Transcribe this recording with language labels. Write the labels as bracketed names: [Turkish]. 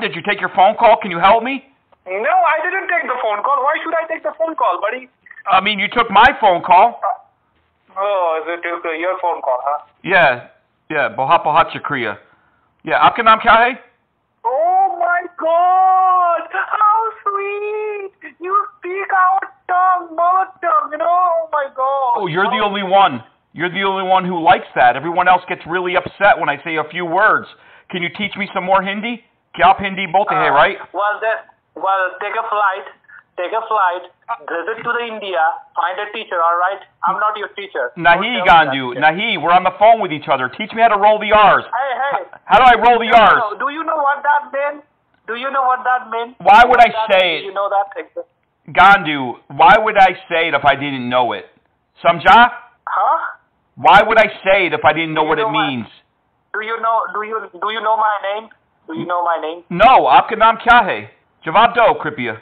[English] Did you take your phone call? Can you help me? No, I didn't take the phone call. Why should I take the phone call, buddy? I mean, you took my phone call. Your phone call, huh? Yeah. [Hindi] बहुत बहुत शुक्रिया. [English] Yeah, [Hindi] आपका नाम क्या है? [English] God, how sweet! You speak our tongue, mother tongue, you know? Oh my God! Oh, you're the only one. You're the only one who likes that. Everyone else gets really upset when I say a few words. Can you teach me some more Hindi? [Hindi] क्या हिंदी बोलते है, [English] right? Well, take a flight. Visit to the India. Find a teacher, all right? I'm not your teacher. [Hindi] Nahi, Gandu. Nahi, [English] we're on the phone with each other. Teach me how to roll the R's. Hey. How do I roll the R's? Do you know what that means? Do you know what that means? Why would I say it? You know that? Gandu, why would I say it if I didn't know it? [Hindi] Samja? [English] Huh? Why would I say it if I didn't know what it means? Do you know my name? Do you know my name? No. [Hindi] आपका नाम क्या है? जवाब दो, कृपया.